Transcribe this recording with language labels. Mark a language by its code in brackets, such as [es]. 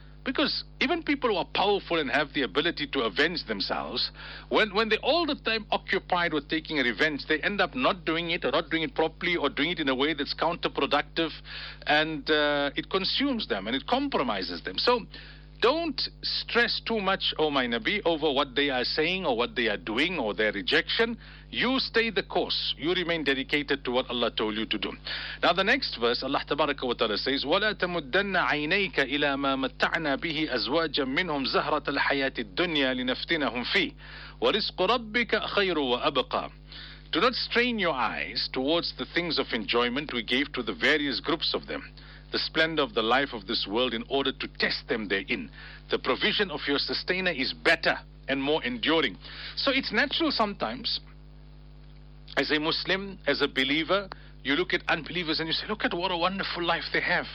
[en] Because even people who are powerful and have the ability to avenge themselves, when they're all the time occupied with taking revenge, they end up not doing it or not doing it properly or doing it in a way that's counterproductive, and it consumes them and it compromises them. So don't stress too much, O my Nabi, over what they are saying or what they are doing or their rejection. You stay the course. You remain dedicated to what Allah told you to do. [ar] Now the next verse, Allah Tabaraka wa Ta'ala says, وَلَا تَمُدَّنَّ عَيْنَيْكَ إِلَى مَا مَتَّعْنَا بِهِ أَزْوَاجًا مِّنْهُمْ زَهْرَةَ الْحَيَاةِ الدُّنْيَا لِنَفْتِنَهُمْ فِيهِ وَرِزْقُ رَبِّكَ خَيْرٌ وَأَبْقَى. [en] Do not strain your eyes towards the things of enjoyment we gave to the various groups of them, the splendor of the life of this world, in order to test them therein. The provision of your sustainer is better and more enduring. So it's natural sometimes, as a Muslim, as a believer, you look at unbelievers and you say, look at what a wonderful life they have.